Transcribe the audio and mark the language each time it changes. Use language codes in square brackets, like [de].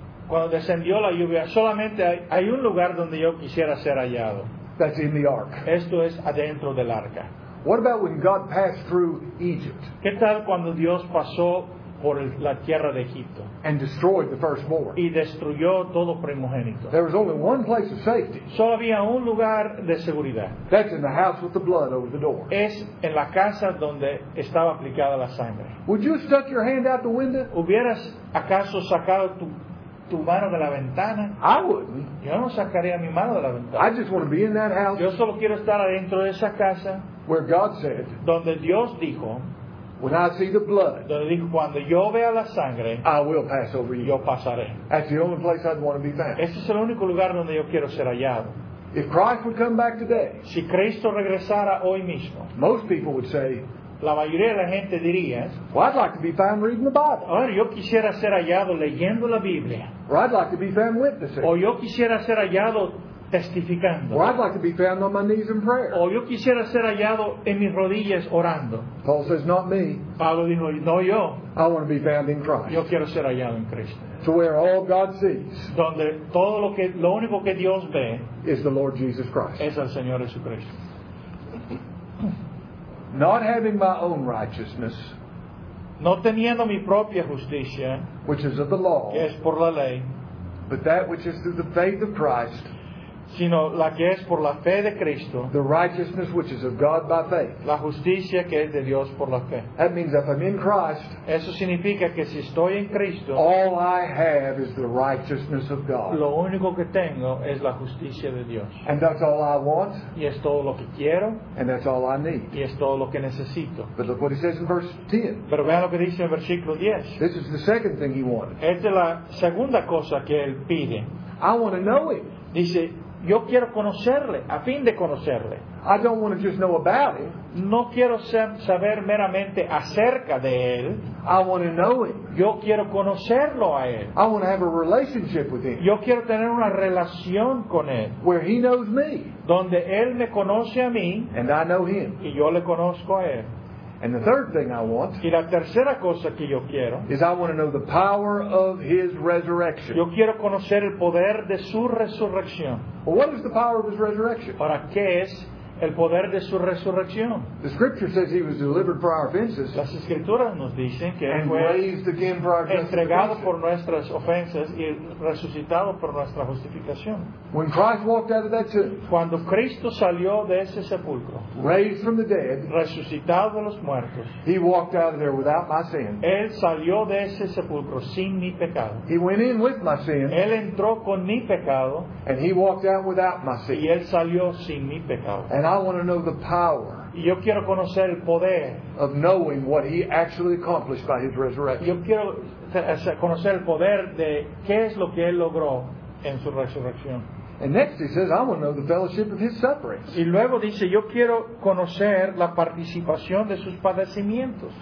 [es] Cuando descendió la lluvia, solamente hay un lugar donde yo quisiera ser hallado. [en] That's in the ark. [es] Esto es adentro del arca. [en] What about when God passed through Egypt? [es] ¿Qué tal cuando Dios pasó por la tierra de Egipto? [en] And destroyed the firstborn. [es] Y destruyó todo primogénito. [en] There was only one place of safety. [es] Solo había un lugar de seguridad. [en] That's in the house with the blood over the door. [es] Es en la casa donde estaba aplicada la sangre. [en] Would you stuck your hand out the window? [es] ¿Hubieras acaso sacado tu mano de la ventana? [en] I wouldn't. [es] Yo no sacaría mi mano de la ventana. [en] I just want to be in that house. [es] Yo solo quiero estar adentro de esa casa. [en] Where God said, [es] donde Dios dijo, [en] when I see the blood, [es] donde dijo, cuando yo vea la sangre, [en] I will pass over you. [es] Yo pasaré. [en] That's the only place I'd want to be found. [es] Este es el único lugar donde yo quiero ser hallado. [en] If Christ would come back today, [es] si Cristo regresara hoy mismo, [en] most people would say, [es] la mayoría de la gente diría, [en] well, I'd like to be found reading the Bible. [es] Ahora, yo quisiera ser hallado leyendo la Biblia. [en] Or I'd like to be found witnessing. [es] O yo quisiera ser hallado testificando. [en] Or I'd like to be found on my knees in prayer. [es] O yo quisiera ser hallado en mis rodillas orando. [en] Paul says, not me. [es] Pablo dijo, no yo. [en] I want to be found in Christ. [es] Yo quiero ser hallado en Cristo. [en] To where all God sees. [es] Donde todo lo único que Dios ve. [en] Is the Lord Jesus Christ. [es] Es el Señor Jesucristo. [en] Not having my own righteousness. [es] No teniendo mi propia justicia. [en] Which is of the law. [es] Que es por la ley. [en] But that which is through the faith of Christ. [es] sino la que es por la fe de Cristo, [en] the righteousness which is of God by faith. [es] La justicia que es de Dios por la fe. [en] That means if I'm in Christ, [es] eso significa que si estoy en Cristo, [en] all I have is the righteousness of God. [es] Lo único que tengo es la justicia de Dios. [en] And that's all I want. [es] Y es todo lo que quiero. [en] And that's all I need. [es] Y es todo lo que necesito. [en] But look what he says in verse 10. [es] Pero vean lo que dice en versículo 10. [en] This is the second thing he wanted. [es] Esta es la segunda cosa que él pide. [en] I want to know him. [es] Dice, yo quiero conocerle, a fin de conocerle. [en] I don't want to just know about him. [es] No quiero saber meramente acerca de él. [en] I want to know him. [es] Yo quiero conocerlo a él. [en] I want to have a relationship with him. [es] Yo quiero tener una relación con él. [en] Where he knows me. [es] Donde él me conoce a mí. [en] And I know him. [es] Y yo le conozco a él. [en] And the third thing I want, [es] y la tercera cosa que yo quiero, [en] is I want to know the power of his resurrection. [es] Yo quiero conocer el poder de su resurrección. [en] Well, what is the power of his resurrection? [es] ¿Para qué es el poder de su resurrección? [en] The scripture says he was delivered for our offenses. [es] Las escrituras nos dicen que [en] and [es] fue [en] raised again for our [es] entregado por nuestras ofensas y resucitado por nuestra justificación. [en] When Christ walked out of that tomb, [es] cuando Cristo salió de ese sepulcro, [en] raised from the dead, [es] resucitado de los muertos, [en] he walked out of there without my sin. [es] Él salió de ese sepulcro sin mi pecado. [en] He went in with my sin. [es] Él entró con mi pecado. [en] And he walked out without my sin. [es] Y él salió sin mi pecado. [en] And I want to know the power. [es] Yo quiero conocer el poder [en] of knowing what he actually accomplished by his resurrection. [es] Yo quiero conocer el poder de qué es lo que él logró en su resurrección. [en] And next he says, I want to know the fellowship of his sufferings. [es] Y luego dice, yo quiero conocer la participación de sus padecimientos.